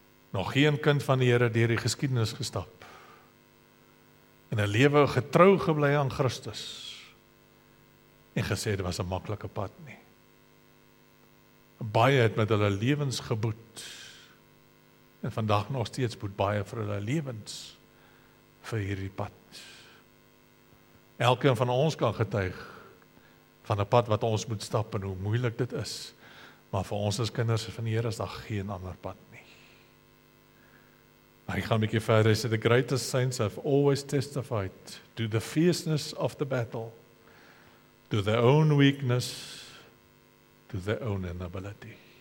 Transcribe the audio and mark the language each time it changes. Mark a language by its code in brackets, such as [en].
[af] Nog geen kind van die Here deur die geskiedenis gestap, en een lewe getrou geblei aan Christus, en gesê, dit was een makkelike pad nie. Baie het met hulle levens geboet, en vandag nog steeds boet baie vir hulle levens, vir hierdie pad. Elkeen van ons kan getuig, van een pad wat ons moet stap, en hoe moeilik dit is, maar vir ons as kinders van die Here is daar geen ander pad. Maar ek gaan bykie verder, hy sê, [en] the greatest saints have always testified to the fierceness of the battle, to their own weakness, to their own inability.